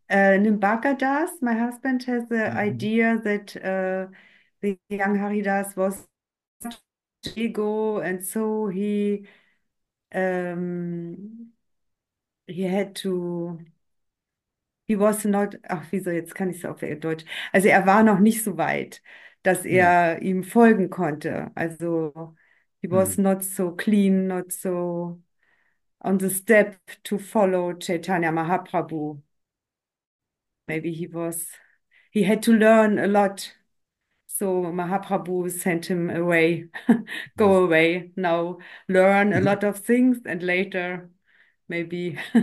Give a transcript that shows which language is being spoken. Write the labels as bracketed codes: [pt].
[en] Nimbaka Das, my husband, has the idea that the young Haridas was ego, and so he had to. He was not, [de] ach, wieso, jetzt kann ich es auf Deutsch. Also er war noch nicht so weit, dass er ihm folgen konnte. [en] Also he was not so clean, not so on the step to follow Chaitanya Mahaprabhu. Maybe he had to learn a lot. So Mahaprabhu sent him away, go away, now learn a lot of things and later maybe...